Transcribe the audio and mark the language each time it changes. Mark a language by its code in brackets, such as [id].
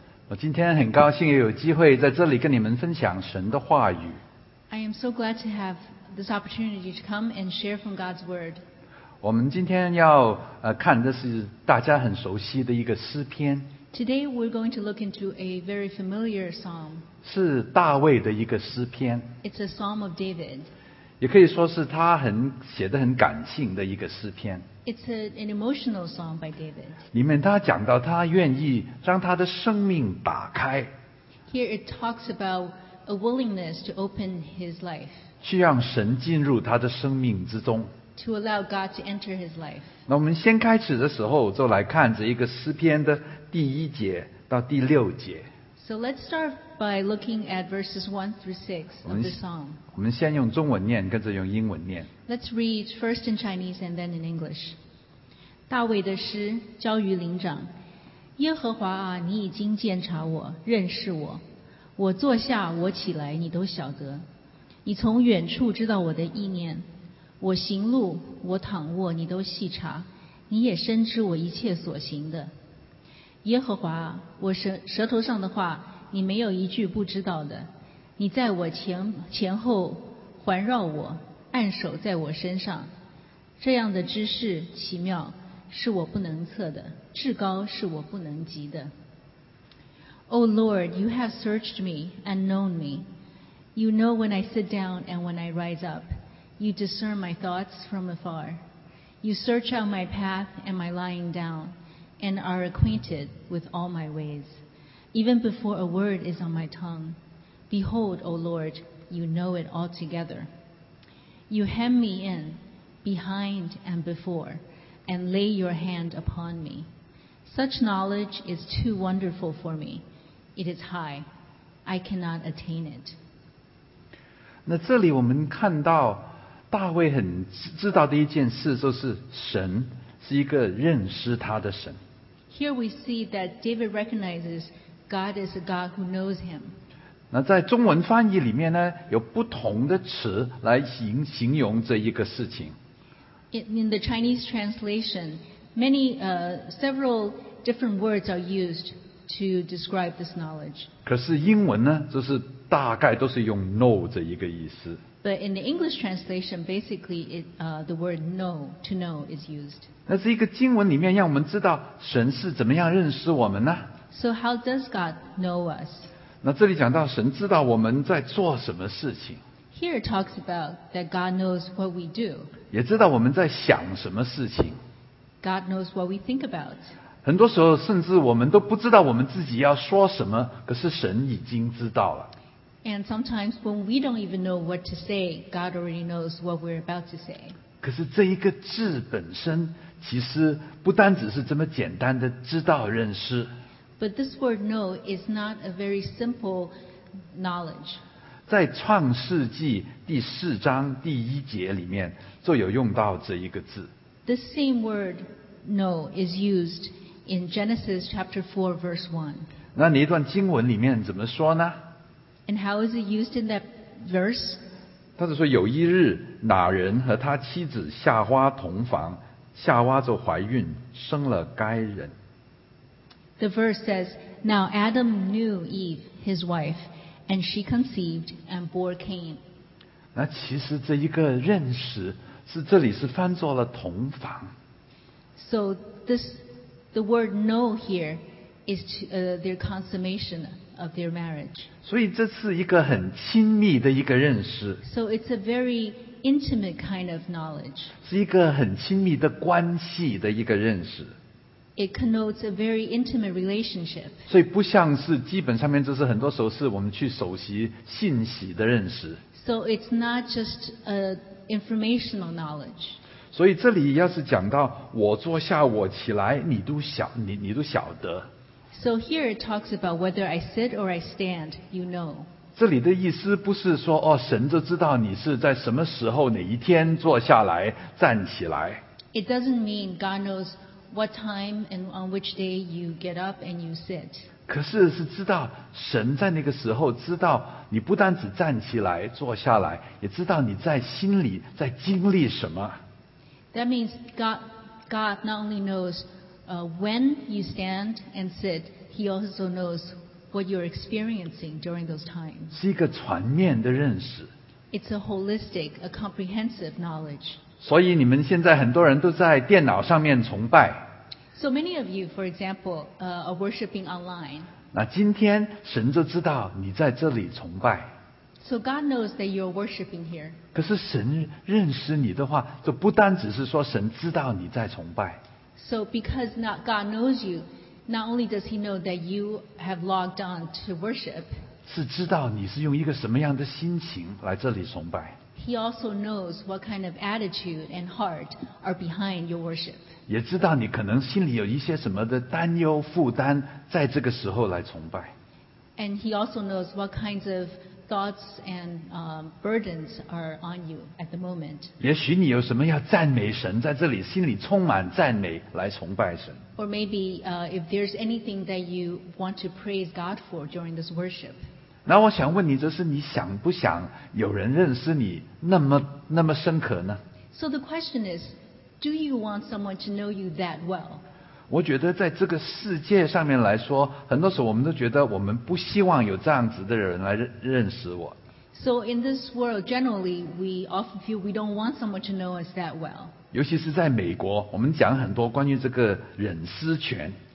[zh] 我今天很高兴有机会在这里跟你们分享神的话语。 [en] I am so glad to have this opportunity to come and share from God's word. [zh] 我们今天要看的是大家很熟悉的一个诗篇。 [en] Today we're going to look into a very familiar psalm. [zh] 是大卫的一个诗篇。 [en] It's a psalm of David. [zh] 也可以说是他很写得很感性的一个诗篇。 [en] It's an emotional song by David. [zh] 里面他讲到他愿意让他的生命打开。 [en] Here it talks about a willingness to open his life. [zh] 去让神进入他的生命之中。 [en] To allow God to enter his life. [zh] 那我们先开始的时候就来看这一个诗篇的第一节到第六节。 [en] So let's start by looking at verses 1 through 6 of the psalm. [zh] 我们先用中文念，跟着用英文念。 [en] Let's read first in Chinese and then in English. [zh] 大卫的诗，交于灵长。耶和华啊，你已经鉴察我，认识我。我坐下，我起来，你都晓得。你从远处知道我的意念。我行路，我躺卧，你都细察。你也深知我一切所行的。耶和华，我舌头上的话，你没有一句不知道的。你在我前后环绕我，按手在我身上。这样的知识奇妙，是我不能测的，至高是我不能及的。 [en] O Lord, you have searched me and known me. You know when I sit down and when I rise up. You discern my thoughts from afar. You search out my path and my lying down. And are acquainted with all my ways, even before a word is on my tongue. Behold, O Lord, you know it altogether. You hem me in, behind and before, and lay your hand upon me. Such knowledge is too wonderful for me. It is high. I cannot attain it. [zh] 那这里我们看到大卫很知道的一件事，就是神是一个认识他的神。 [en] Here we see that David recognizes God is a God who knows him. [zh] 那在中文翻译里面呢，有不同的词来形容这一个事情。 [en] In the Chinese translation, several different words are used to describe this knowledge. [zh] 可是英文呢，就是大概都是用 know 这一个意思。 [en] But in the English translation, basically, the word know, to know, is used. [zh] 那是一个经文里面让我们知道神是怎么样认识我们呢？ [en] So how does God know us? [zh] 那这里讲到神知道我们在做什么事情。 [en] Here it talks about that God knows what we do. [zh] 也知道我们在想什么事情。 [en] God knows what we think about. [zh] 很多时候甚至我们都不知道我们自己要说什么，可是神已经知道了。 [en] And sometimes when we don't even know what to say, God already knows what we're about to say. [zh] 可是这一个字本身其实不单只是这么简单的知道认识。 [en] But this word know is not a very simple knowledge. [zh] 在创世纪第四章第一节里面就有用到这一个字。 [en] The same word know is used in Genesis chapter 4 verse 1. [zh] 那那一段经文里面怎么说呢？ [en] And how is it used in that verse? [zh] 他就说有一日，那人和他妻子夏娃同房，夏娃就怀孕，生了该人。 [en] The verse says, Now Adam knew Eve, his wife, and she conceived and bore Cain. [zh] 那其实这一个认识是这里是翻作了同房。 [en] So the word know here is to, their consummation. Of their marriage. [zh] 所以这是一个很亲密的一个认识。 [en] So it's a very intimate kind of knowledge. [zh] 是一个很亲密的关系的一个认识。 [en] It connotes a very intimate relationship. [zh] 所以不像是基本上面就是很多时候是我们去熟悉信息的认识。 [en] So it's not just a informational knowledge. [zh] 所以这里要是讲到我坐下我起来你都晓得。 [en] So here it talks about whether I sit or I stand, you know. [zh] 这里的意思不是说哦，神就知道你是在什么时候哪一天坐下来站起来。 [en] It doesn't mean God knows what time and on which day you get up and you sit. [zh] 可是是知道神在那个时候知道你不单只站起来坐下来，也知道你在心里在经历什么。 [en] That means God not only knows when you stand and sit, He also knows what you're experiencing during those times. [zh] 是一个全面的认识。 [en] It's a holistic, a comprehensive knowledge. [zh] 所以你们现在很多人都在电脑上面崇拜。 [en] So many of you, for example, are worshiping online. [zh] 那今天神就知道你在这里崇拜。 [en] So God knows that you're worshiping here. [zh] 可是神认识你的话，就不单只是说神知道你在崇拜。 [en] So because not God knows you, not only does He know that you have logged on to worship. [zh] 是知道你是用一个什么样的心情来这里崇拜。 [en] He also knows what kind of attitude and heart are behind your worship. [zh] 也知道你可能心里有一些什么的担忧负担，在这个时候来崇拜。 [en] And He also knows what kinds of thoughts and burdens are on you at the moment. [zh] 也许你有什么要赞美神，在这里心里充满赞美来崇拜神。 [en] Or maybe if there's anything that you want to praise God for during this worship. [zh] 那我想问你，就是你想不想有人认识你那么深刻呢？ [en] So the question is, do you want someone to know you that well? [zh] 我觉得在这个世界上面来说，很多时候我们都觉得我们不希望有这样子的人来认识我。 [en] So in this world, generally, we often feel we don't want someone to know us that well. [zh] 尤其是在美国，我们讲很多关于这个隐私权。